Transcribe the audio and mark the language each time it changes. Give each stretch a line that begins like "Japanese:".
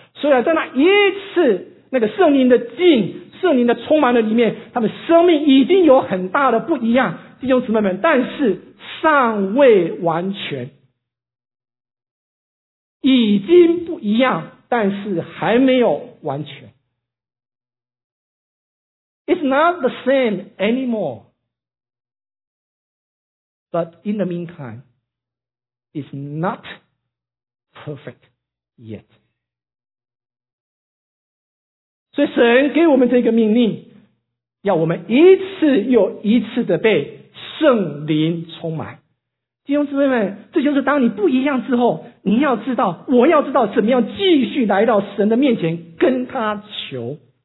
Chinese: 虽然在那一次那个圣灵的浸、圣灵的充满的里面，他们生命已经有很大的不一样，弟兄姊妹们，但是尚未完全，已经不一样，但是还没有完全。
English: It's not the same anymore. But in the meantime, it's not perfect yet.
Chinese: 所以神给我们这个命令，要我们一次又一次的被圣灵充满。弟兄姊妹们，这就是当你不一样之后，你要知道，我要知道怎么样继续来到神的面前跟他求。